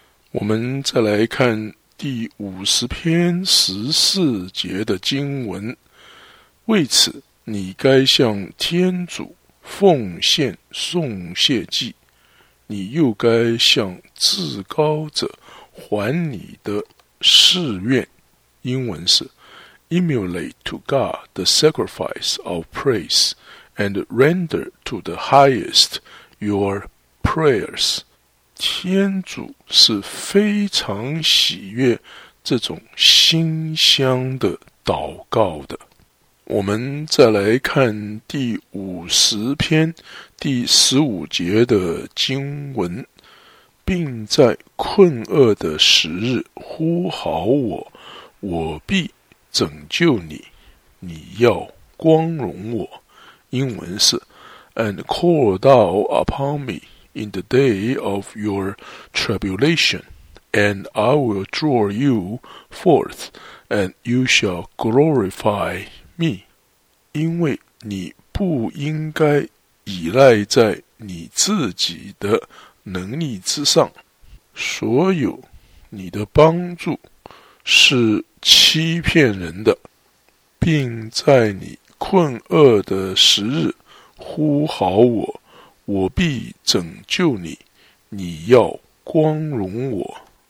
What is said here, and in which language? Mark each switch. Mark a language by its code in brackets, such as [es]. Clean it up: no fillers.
[zh] 我们再来看第五十篇十四节的经文，为此你该向天主奉献颂谢祭，你又该向至高者还你的誓愿，英文是 [en] Emulate to God the sacrifice of praise and render to the highest your prayers。 [zh] 天主是非常喜悦这种馨香的祷告的。我们再来看第五十篇第十五节的经文，并在困厄的时日呼号我，我必拯救你，你要光荣我，英文是 [en] And call thou upon me in the day of your tribulation, and I will draw you forth, and you shall glorify me。 [zh] 因为你不应该依赖在你自己的能力之上，所有你的帮助是欺骗人的，并在你困厄的时日呼号我，我必拯救你，你要光荣我。